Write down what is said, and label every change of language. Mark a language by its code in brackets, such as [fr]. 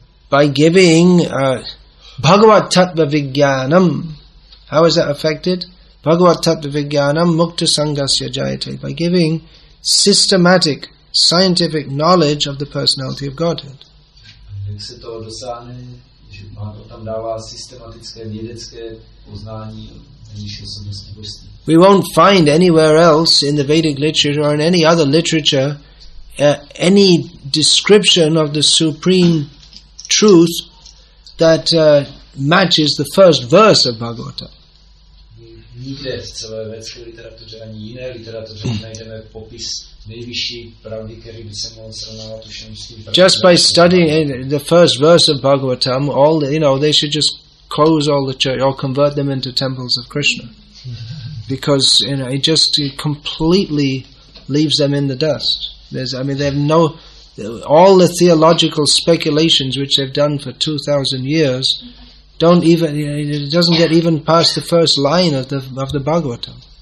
[en] By giving Bhagavat Tattva Vijnanam, how is that affected? [sa] Bhagavat Tattva Vijnanam Mukta Sangasya Jayate. [en] By giving systematic scientific knowledge of the personality of Godhead. [cs] Jak se toho dosáhne, že to tam dává systematické vědecké poznání nejvyšší osobnosti božství. [en] We won't find anywhere else in the Vedic literature or in any other literature any description of the supreme truth that matches the first verse of Bhagavata. [cs] Nikde v celé vědecké literatuře ani jiné literatuře najdeme popis nejvyšší pravdy, který by se mohl srovnávat už s tím. [en] Just by studying the first verse of Bhagavatam, all the, you know, they should just close all the church or convert them into temples of Krishna. Because, you know, it just completely leaves them in the dust. They have no, all the theological speculations which they've done for 2,000 years don't even, it doesn't get even past the first line of the Bhagavatam.